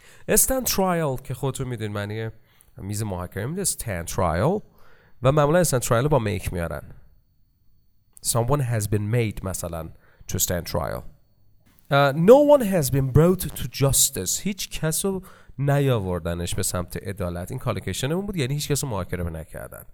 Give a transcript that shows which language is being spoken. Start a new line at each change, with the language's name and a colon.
Persian: Stand trial که خودتون میدین معنی میز محاکمه میده stand trial، و معمولا stand trial با make میارن.
English: Someone has been made, مثلا, to stand trial. No one has been brought to justice.
Persian: هیچ کسو نیاوردنش به سمت عدالت. این کالکشنمون بود، یعنی هیچ کسو محاکمه نکردن.